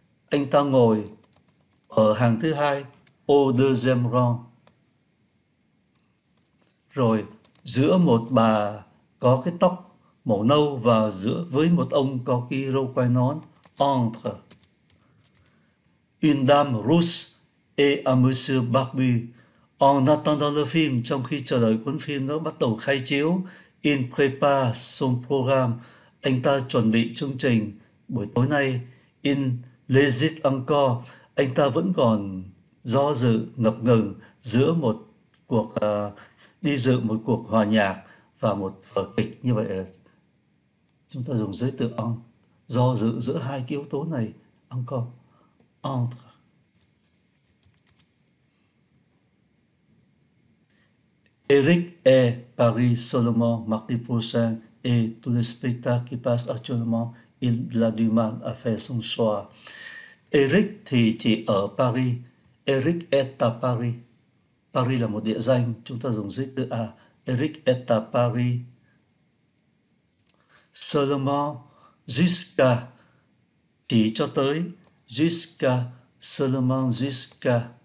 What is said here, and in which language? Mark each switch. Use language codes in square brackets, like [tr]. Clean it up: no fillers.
[vi] Anh ta ngồi ở hàng thứ hai, [fr] au deuxième rang. [vi] Rồi, giữa một bà có cái tóc màu nâu và giữa với một ông có cái râu quai nón, entre. [fr] Une dame rousse et un monsieur barbu. En attendant le film, [vi] trong khi chờ đợi cuốn phim nó bắt đầu khai chiếu, [fr] il prépare son programme, [vi] anh ta chuẩn bị chương trình buổi tối nay, [fr] il hésite encore, [vi] anh ta vẫn còn do dự ngập ngừng giữa một cuộc đi dự một cuộc hòa nhạc và một vở kịch. Như vậy chúng ta dùng giới từ ông do dự giữa hai cái yếu tố này, ông có ông. [fr] Eric et Paris seulement mardi prochain et tous les spectacles qui passent actuellement, il a du mal à faire son choix. [vi] Eric thì chỉ ở Paris. [fr] Eric est à Paris. [vi] Paris là một địa danh, chúng ta dùng giới từ A. [fr] Eric est à Paris. Seulement, jusqu'à, [vi] chỉ cho tới, [fr] jusqu'à, seulement jusqu'à.